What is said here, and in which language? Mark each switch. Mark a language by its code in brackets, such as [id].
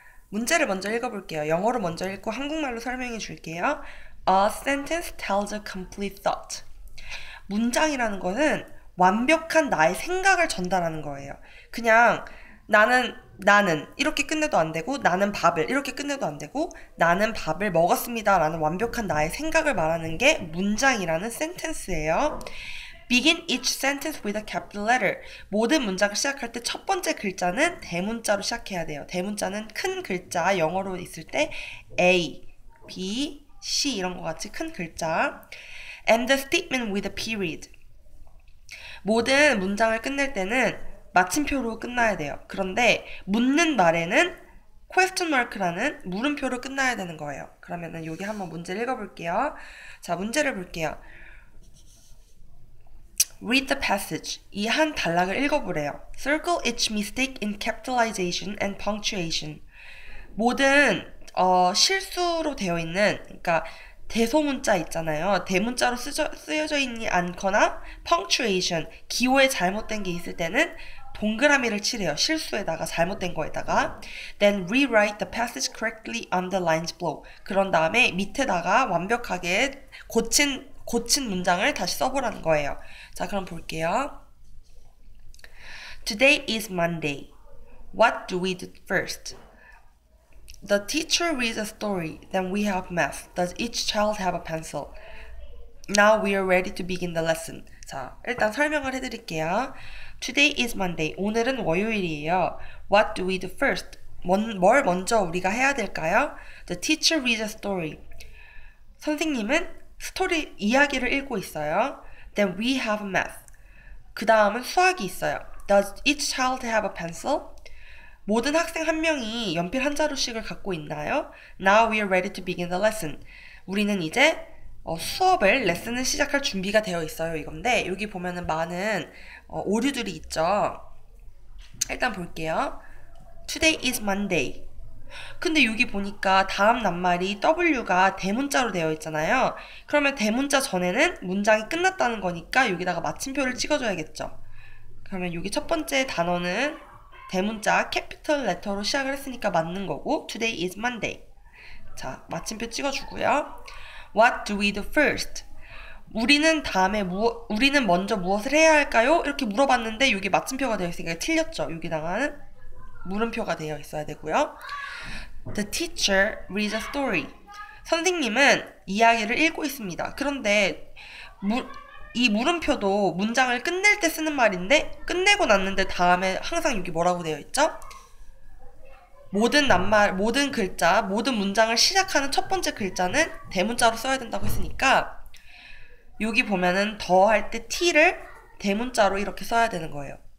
[ko] 문제를 먼저 읽어볼게요. 영어로 먼저 읽고 한국말로 설명해 줄게요. [en] A sentence tells a complete thought. [ko] 문장이라는 거는 완벽한 나의 생각을 전달하는 거예요. 그냥 나는 이렇게 끝내도 안 되고, 나는 밥을 이렇게 끝내도 안 되고, 나는 밥을 먹었습니다. 라는 완벽한 나의 생각을 말하는 게 문장이라는 sentence예요. [en] Begin each sentence with a capital letter. [ko] 모든 문장을 시작할 때첫 번째 글자는 대문자로 시작해야 돼요. 대문자는 큰 글자, 영어로 있을 때 A, B, C 이런 것 같이 큰 글자. [en] And the statement with a period. [ko] 모든 문장을 끝낼 때는 마침표로 끝나야 돼요. 그런데 묻는 말에는 question mark라는 물음표로 끝나야 되는 거예요. 그러면은 여기 한번 문제를 읽어볼게요. 자, 문제를 볼게요. [en] Read the passage. [ko] 이한 단락을 읽어보래요. [en] Circle each mistake in capitalization and punctuation. [ko] 모든 실수로 되어 있는, 그러니까 대소문자 있잖아요. 대문자로 쓰여져 있지 않거나 punctuation, 기호에 잘못된 게 있을 때는 동그라미를 칠해요. 실수에다가 잘못된 거에다가. [en] Then rewrite the passage correctly on the lines below. [ko] 그런 다음에 밑에다가 완벽하게 고친 문장을 다시 써보라는 거예요. 자, 그럼 볼게요. [en] Today is Monday. What do we do first? The teacher reads a story. Then we have math. Does each child have a pencil? Now we are ready to begin the lesson. [ko] 자, 일단 설명을 해드릴게요. [en] Today is Monday. [ko] 오늘은 월요일이에요. [en] What do we do first? [ko] 뭘 먼저 우리가 해야 될까요? [en] The teacher reads a story. [ko] 선생님은 스토리 이야기를 읽고 있어요. [en] Then we have math. [ko] 그 다음은 수학이 있어요. [en] Does each child have a pencil? [ko] 모든 학생 한 명이 연필 한 자루씩을 갖고 있나요? [en] Now we are ready to begin the lesson. [ko] 우리는 이제 레슨을 시작할 준비가 되어 있어요. 이건데 여기 보면은 많은 오류들이 있죠. 일단 볼게요. [en] Today is Monday. [ko] 근데 여기 보니까 다음 낱말이 W가 대문자로 되어 있잖아요. 그러면 대문자 전에는 문장이 끝났다는 거니까 여기다가 마침표를 찍어줘야겠죠. 그러면 여기 첫 번째 단어는 대문자 캐피털 레터로 시작을 했으니까 맞는 거고, [en] Today is Monday. [ko] 자, 마침표 찍어주고요. [en] What do we do first? [ko] 우리는 먼저 무엇을 해야 할까요? 이렇게 물어봤는데 여기 마침표가 되어 있으니까 틀렸죠. 여기다가는 물음표가 되어 있어야 되고요. [en] The teacher reads a story. [ko] 선생님은 이야기를 읽고 있습니다. 그런데 이 물음표도 문장을 끝낼 때 쓰는 말인데, 끝내고 났는데 다음에 항상 여기 뭐라고 되어 있죠? 모든 글자, 모든 문장을 시작하는 첫 번째 글자는 대문자로 써야 된다고 했으니까, 여기 보면은 더할때 t를 대문자로 이렇게 써야 되는 거예요.